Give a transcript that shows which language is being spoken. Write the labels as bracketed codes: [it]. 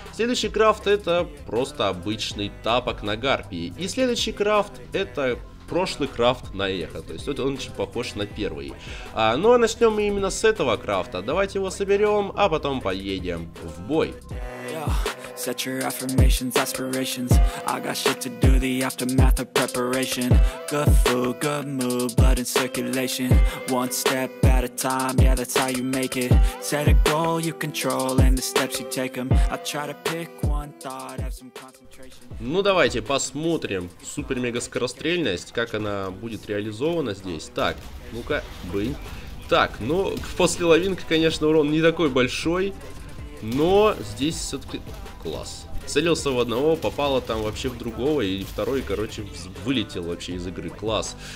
[ru] Следующий крафт — это просто обычный тапок на гарпии. И следующий крафт — это прошлый крафт на эхо, то есть вот он очень похож на первый. Ну а начнем мы именно с этого крафта. Давайте его соберем, а потом поедем в бой. [en] Set your affirmations, aspirations. I got shit to do, the aftermath of preparation. Good food, good mood, blood in circulation. One step at a time, yeah, that's how you make it. Set a goal you control and the steps you take them. I try to pick one thought, have some concentration. [ru] Ну давайте посмотрим супер-мега-скорострельность, как она будет реализована здесь. Так, ну-ка, блин. Так, ну, после лавинки, конечно, урон не такой большой, но здесь все-таки... Класс. Целился в одного, попало там вообще в другого, и второй, короче, вылетел вообще из игры. Класс.